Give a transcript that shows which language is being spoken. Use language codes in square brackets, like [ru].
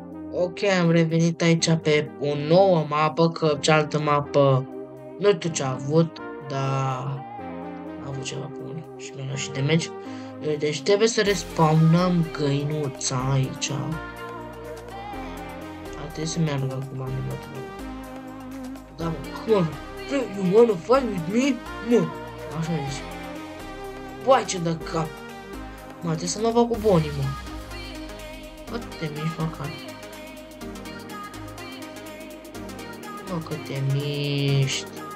[ro] Ok, am revenit aici pe o nouă mapă, că cealaltă mapă nu știu ce a avut, dar a avut ceva bun și mi-a luat și damage. Deci trebuie să respawnăm găinuța aici. Ar trebui să meargă acum în mod. Da, mă, [en] come on, you wanna fight with me? [ro] Mă, așa zice. Băi, ce de cap. Mă, trebuie să mă fac cu bonii, mă. Fă-te mici, măcar. Mă, cât te miști.